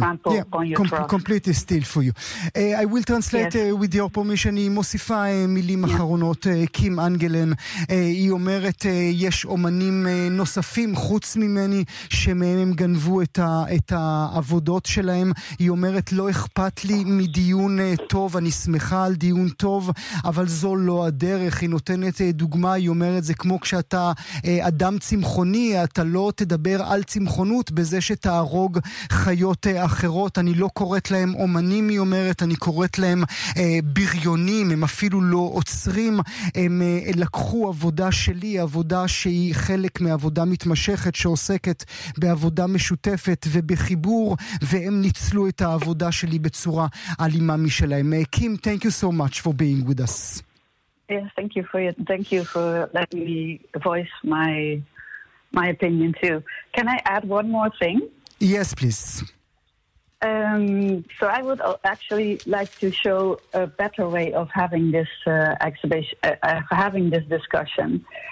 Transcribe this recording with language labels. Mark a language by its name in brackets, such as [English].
[English] Yeah, completely steal for you. I will translate yes. With your permission. [Hebrew] היא מוסיפה מילים yes. אחרונות, קים אנגלן. היא אומרת, יש אומנים נוספים חוץ ממני שמהם הם גנבו את העבודות שלהם. היא אומרת, לא אכפת לי מדיון טוב, אני שמחה על דיון טוב, אבל זו לא הדרך. היא נותנת דוגמה, היא אומרת, זה כמו כשאתה אדם צמחוני, אתה לא תדבר על צמחונות בזה שתהרוג חיות אחרות, אני לא קוראת להם אומנים, היא אומרת, אני קוראת להם בריונים, הם אפילו לא עוצרים, הם לקחו עבודה שלי, עבודה שהיא חלק מעבודה מתמשכת שעוסקת בעבודה משותפת ובחיבור, והם ניצלו את העבודה שלי בצורה אלימה משלהם. קים, [English] thank you so much for being with us. Yes, thank you for letting me voice my opinion too. Can I add one more thing? Yes, please. So I would actually like to show a better way of having this exhibition, having this discussion.